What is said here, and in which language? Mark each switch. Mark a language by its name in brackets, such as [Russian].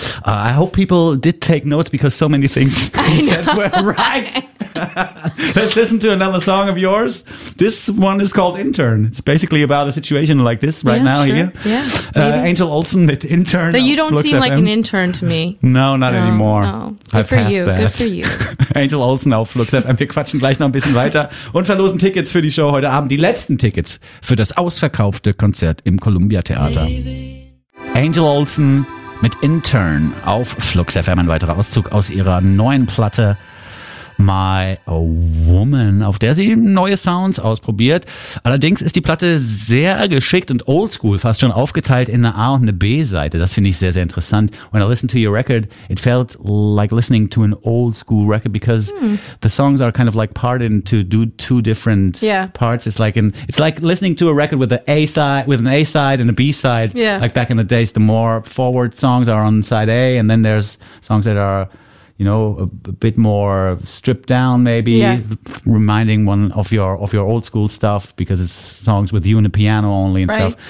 [English] I hope people did take notes because so many things you said were right. Let's listen to another song of yours. This one is called Intern. It's basically about a situation like this right now here. Yeah. Angel Olsen, it's Intern. So you don't seem like an intern to me. No, not anymore. No. Good for you. Good for you. [German] Angel Olsen auf Flux FM. Wir quatschen gleich noch ein bisschen weiter und verlosen Tickets für die Show heute Abend. Die letzten Tickets für das ausverkaufte Konzert im Columbia Theater. Angel Olsen mit Intern auf Flux FM. Ein weiterer Auszug aus ihrer neuen Platte. My Woman, auf der sie neue Sounds ausprobiert. Allerdings ist die Platte sehr geschickt und oldschool, fast schon aufgeteilt in eine A- und eine B-Seite. Das finde ich sehr, sehr interessant. [English] When I listened to your record, it felt like listening to an oldschool record because the songs are kind of like parted into two different parts. It's like listening to a record with an A-side and a B-side. Yeah. Like back in the days, the more forward songs are on side A and then there's songs that are, you know, a bit more stripped down, maybe reminding one of your old school stuff because it's songs with you and a piano only and stuff.